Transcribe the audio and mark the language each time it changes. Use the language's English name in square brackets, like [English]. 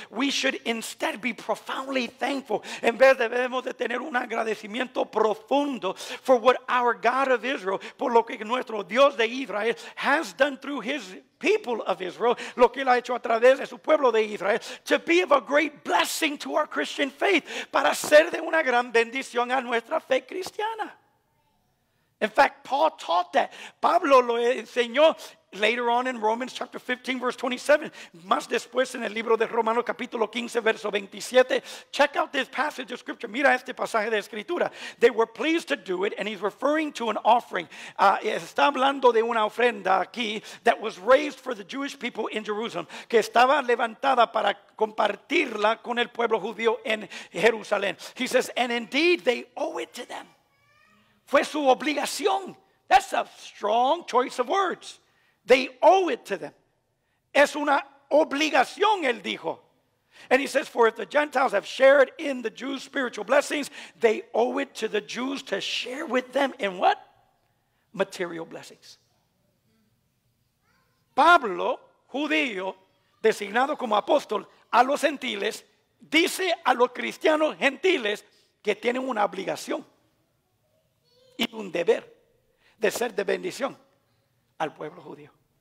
[English] We should instead be profoundly thankful. [Spanish] En vez debemos de tener un agradecimiento profundo [English] for what our God of Israel, [Spanish] por lo que nuestro Dios de Israel [English] has done through his people of Israel, [Spanish] lo que él ha hecho a través de su pueblo de Israel, [English] to be of a great blessing to our Christian faith, [Spanish] para ser de una gran bendición a nuestra fe cristiana. [English] In fact, Paul taught that. [Spanish] Pablo lo enseñó [English] later on in Romans chapter 15, verse 27. [Spanish] Más después en el libro de Romanos capítulo 15, verso 27. [English] Check out this passage of scripture. [Spanish] Mira este pasaje de escritura. [English] They were pleased to do it, and he's referring to an offering. [Spanish] Está hablando de una ofrenda aquí [English] that was raised for the Jewish people in Jerusalem, [Spanish] que estaba levantada para compartirla con el pueblo judío en Jerusalén. [English] He says, and indeed they owe it to them. [Spanish] Fue su obligación. [English] That's a strong choice of words. They owe it to them. [Spanish] Es una obligación, él dijo. [English] And he says, for if the Gentiles have shared in the Jews' spiritual blessings, they owe it to the Jews to share with them in what? Material blessings. [Spanish] Pablo, judío, designado como apóstol a los gentiles, dice a los cristianos gentiles que tienen una obligación y un deber de ser de bendición al pueblo judío.